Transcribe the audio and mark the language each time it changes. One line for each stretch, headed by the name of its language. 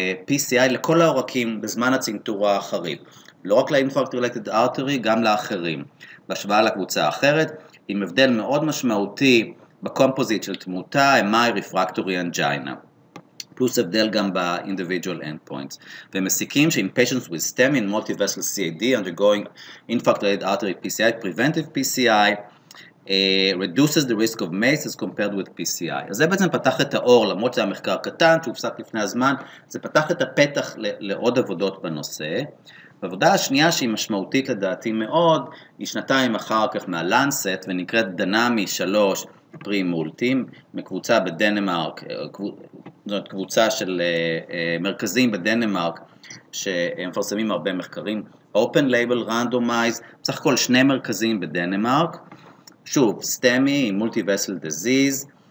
Hebrew: PCI לכל העורקים בזמן הצנתור האחרים, לא רק ל-infarct related artery, גם לאחרים, בהשוואה לקבוצה האחרת, עם הבדל מאוד משמעותי בקומפוזיט של תמותה, MI refractory angina, פלוס הבדל גם ב-individual endpoints. ומסיקים שעם
English: patients with stemi and multivessel CAD undergoing infarct related artery PCI, preventive PCI, reduces the risk of MACE as compared with PCI.
Hebrew: אז זה בעצם פתח את האור, למרות שזה המחקר קטן שהופסק לפני הזמן, זה פתח את הפתח לעוד עבודות בנושא. העבודה השנייה שהיא משמעותית לדעתי מאוד, היא שנתיים אחר כך מהלנסט ונקראת דנמי 3 פרי מולטים, מקבוצה בדנמרק, זאת קבוצה של מרכזים בדנמרק שהם מפרסמים הרבה מחקרים, open label randomized, בסך הכל 2 מרכזים בדנמרק, שוב, STEMI, multi-vessel disease,